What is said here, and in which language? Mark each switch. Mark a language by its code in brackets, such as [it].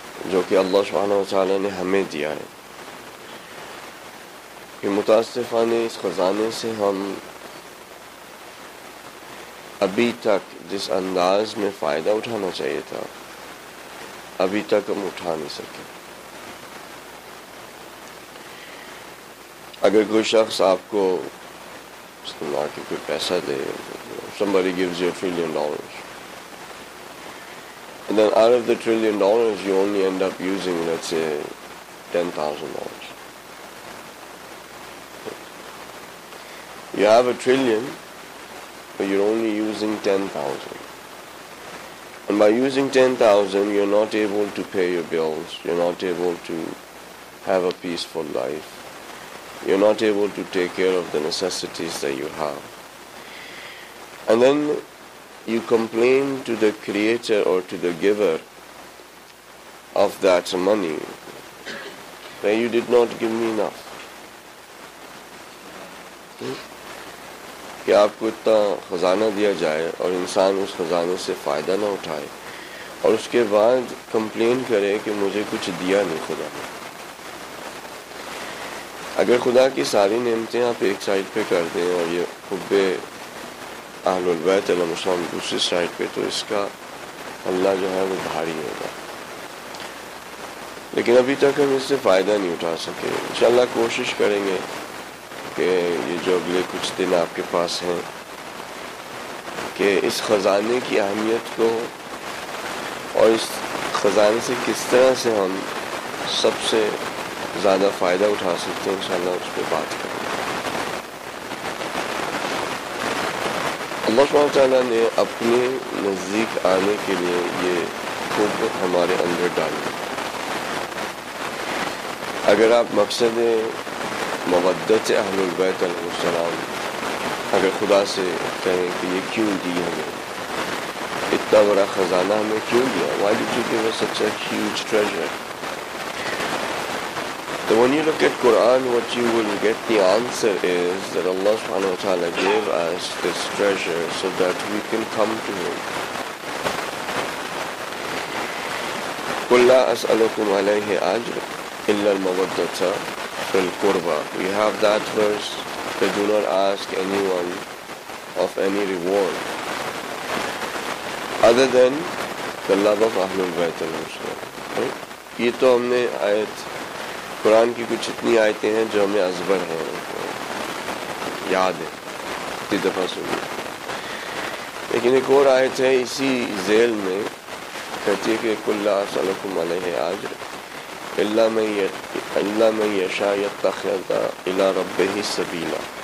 [ur] جو کہ اللہ سبحانہ وتعالی نے ہمیں دیا ہے کہ متاسفانہ اس خزانے سے ہم ابھی تک جس انداز میں فائدہ اٹھانا چاہیے تھا ابھی تک ہم اٹھا نہیں سکے. اگر کوئی شخص آپ کو استعمال کے کوئی پیسہ دے, [en] somebody gives you $1 trillion, and then out of the $1 trillion, you only end up using, let's say, $10,000. You have a trillion, but you're only using 10,000. And by using 10,000, you're not able to pay your bills, you're not able to have a peaceful life, you're not able to take care of the necessities that you have. And then you complain to the creator or to the giver of that money that you did not give me enough. [ur] کہ آپ کو اتنا خزانہ دیا جائے اور انسان اس خزانے سے فائدہ نہ اٹھائے اور اس کے بعد کمپلین کرے کہ مجھے کچھ دیا نہیں خدا نے. اگر خدا کی ساری نعمتیں آپ ایک سائڈ پہ کر دیں اور یہ حب اہل البیت علیہ السلام دوسری سائڈ پہ, تو اس کا اللہ جو ہے وہ بھاری ہوگا. لیکن ابھی تک ہم اس سے فائدہ نہیں اٹھا سکے. انشاءاللہ کوشش کریں گے کہ یہ جو اگلے کچھ دن آپ کے پاس ہیں کہ اس خزانے کی اہمیت کو اور اس خزانے سے کس طرح سے ہم سب سے زیادہ فائدہ اٹھا سکتے ہیں, انشاءاللہ اس پہ بات کریں. اللہ سبحانہ وتعالیٰ نے اپنے نزدیک آنے کے لیے یہ خوب ہمارے اندر ڈالی. اگر آپ مقصد مودت اہل البیت علیہ السلام اگر خدا سے کہیں کہ یہ کیوں دی ہمیں, اتنا بڑا خزانہ ہمیں کیوں دیا, [en] why did you give us such a huge treasure, so when you look at Quran, what you will get the answer is that Allah subhanahu wa ta'ala gave us this treasure so that we can come to him. [ar] قُلْ لَا أَسْأَلُكُمْ عَلَيْهِ أَجْرٍ إِلَّا الْمَوَدَّةَ فِي الْقُرْبَى. [en] We have that verse that do not ask anyone of any reward other than the love of Ahlul Bayt al-Muslim. [ur] یہ تو ہم نے آیت قرآن کی کچھ اتنی آیتیں ہیں جو ہمیں ازبر ہیں, یاد ہیں, اتنی دفعہ سنی. لیکن ایک اور آیت ہے اسی ذیل میں, کہتی ہے کہ [ar] قُلْ لَا أَسْأَلُكُمْ عَلَيْهِ أَجْرًا إِلَّا مَنْ يَشَاءُ يَتَّخِذَ إِلَىٰ رَبِّهِ سَبِيلًا.